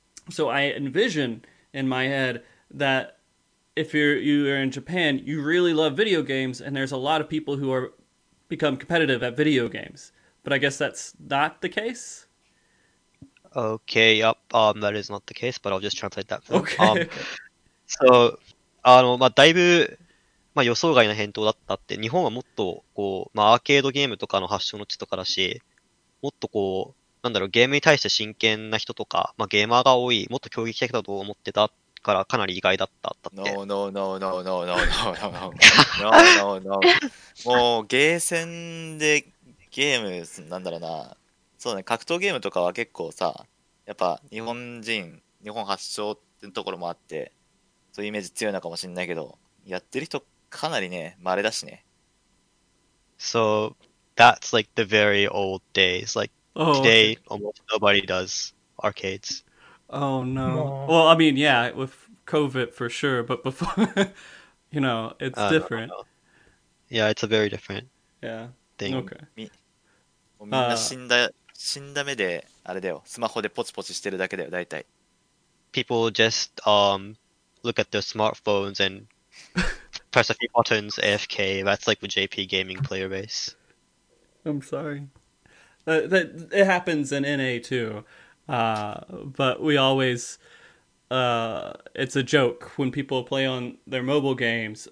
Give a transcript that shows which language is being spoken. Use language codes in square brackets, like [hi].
[en] So I envision in my head that if you're in Japan, you really love video games, and there's a lot of people who are become competitive at video games. But I guess that's not the case. Okay, yep. That is not the case, but I'll just translate that for you. Okay. [ja] So, だいぶ予想外な返答だったって、日本はもっとこう、アーケードゲームとかの発祥の地とかだし、もっとこう、なんだろう、ゲームに対して真剣な人とか、ゲーマーが多い、もっと競技的だと思ってたからかなり意外だったって。 [en] No, no, no, no, no, no, no, no, no, no, no, no, no. [ja] もう、ゲーセンでゲーム、なんだろうな、そうね、格闘ゲームとかは結構さ、やっぱ日本人、日本発祥ってところもあって、そういうイメージ強いのかもしれないけど、やってる人かなりね、稀だしね。 [en] So... That's like the very old days. Like today, almost nobody does arcades. Oh no. Well, I mean, yeah, with COVID for sure, but before, you know, it's different. No. Yeah, it's a very different thing. Okay. [ja] みんな死んだ目であれだよ。スマホでポチポチしてるだけだよ、大体。 [en] People just look at their smartphones and press a few buttons AFK. That's like the JP gaming player base. I'm sorry. That it happens in NA too. But we always, it's a joke when people play on their mobile games.